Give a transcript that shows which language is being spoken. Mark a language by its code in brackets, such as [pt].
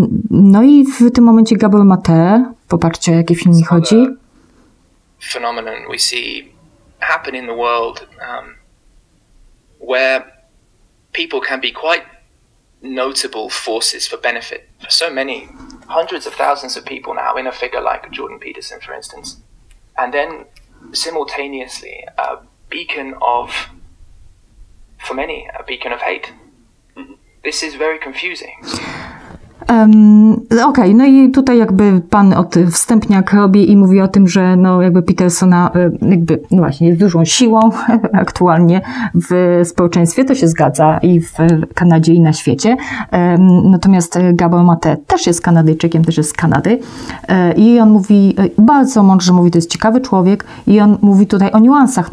[pl] No i w tym momencie Gabor Mate, popatrzcie, jaki film mi chodzi. [en] Phenomenon we see happen in the world where people can be quite notable forces for benefit for so many hundreds of thousands of people now in a figure like Jordan Peterson for instance. And then simultaneously a beacon of for many a beacon of hate. This is very confusing. [pl] Okej, okay. No i tutaj jakby pan od wstępniak robi i mówi o tym, że no jakby Petersona jakby no właśnie jest dużą siłą aktualnie w społeczeństwie, to się zgadza i w Kanadzie i na świecie. Natomiast Gabor Mate też jest Kanadyjczykiem, też jest z Kanady i on mówi, bardzo mądrze mówi, to jest ciekawy człowiek i on mówi tutaj o niuansach.